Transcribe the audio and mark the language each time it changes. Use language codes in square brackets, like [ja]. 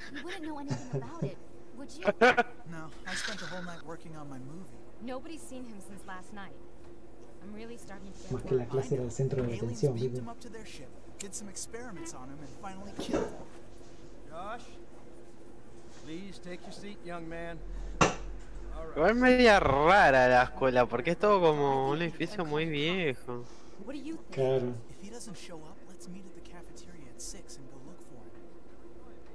[en] You wouldn't know anything about it, would you? No, I spent the whole night working on my movie. Nobody's seen him since last night. I'm really starting to get [es] worried. La clase era el centro de atención, [en] beamed him up to their ship, did some experiments on him, and finally killed him. Josh, please take your seat, young man. [es] Es media rara la escuela, porque es todo como un edificio muy viejo. Claro. [en] If he doesn't show up, let's meet at the cafeteria at 6 and go look for him.